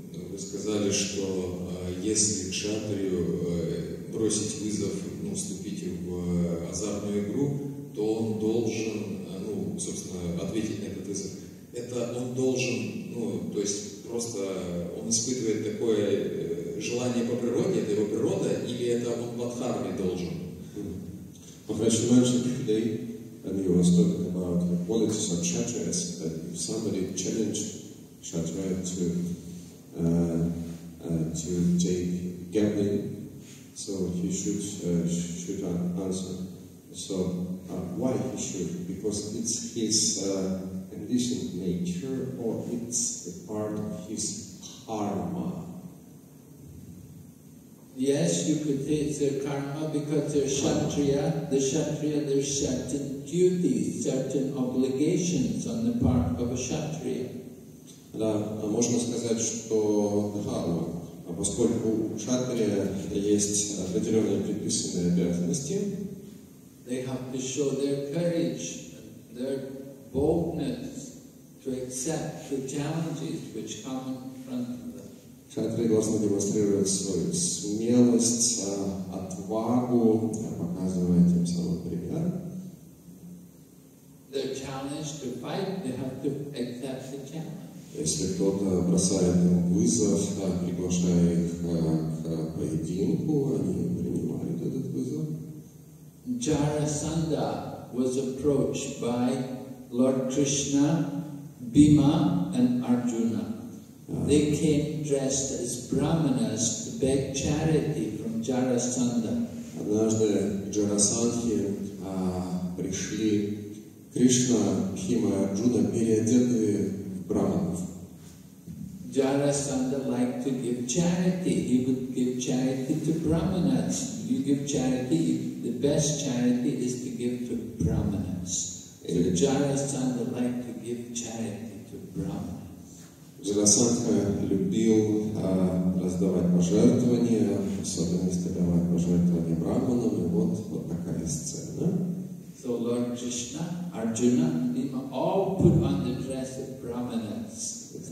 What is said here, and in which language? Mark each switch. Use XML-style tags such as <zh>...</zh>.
<ru>Вы сказали, что если кшатрию бросить вызов, ну, вступить в азартную игру, то он должен, ну, собственно, ответить на этот вызов. Это он должен, ну, то есть просто он испытывает такое желание по природе, это его природа, или это он в адхарме должен?</ru> <en>And he was talking about the qualities of kshatriyas, that if somebody challenged kshatriya to take gambling, so he should answer. So why he should? Because it's his condition, nature, or it's a part of his karma. Yes, you could say it's their karma because they're kshatriya. The kshatriya, there's certain duties, certain obligations on the part of a kshatriya.</en> <ru>Да, можно сказать, что karma, а поскольку у кшатрия есть определенные предписанные обязанности,</ru> <en>they have to show their courage, their boldness to accept the challenges which come in front of them.</en> <ru>Кшатрия должна демонстрировать свою смелость, отвагу, показывая тем самым пример.</ru> <en>They're challenged to fight, they have to accept the challenge.</en> <ru>Если кто-то бросает ему вызов, приглашая их к поединку, они принимают этот вызов.</ru> <en>Jarasandha was approached by Lord Krishna, Bhima and Arjuna. They came dressed as brahmanas to beg charity from Jarasandha.</en> <ru>Однажды Jarasandhi пришли Кришна, Бхима и Арджуна переодеты в брахманов.</ru> <en>Jarasandha liked to give charity. He would give charity to brahmanas. You give charity, the best charity is to give to brahmanas. So Jarasandha liked to give charity to brahmanas.</en> <ru>Jarasandha любил раздавать пожертвования, особенности давать пожертвования брахманам, и вот такая сцена.</ru> <en>So Lord Krishna, Arjuna, Bhima all put on the dress of brahmanas.</en>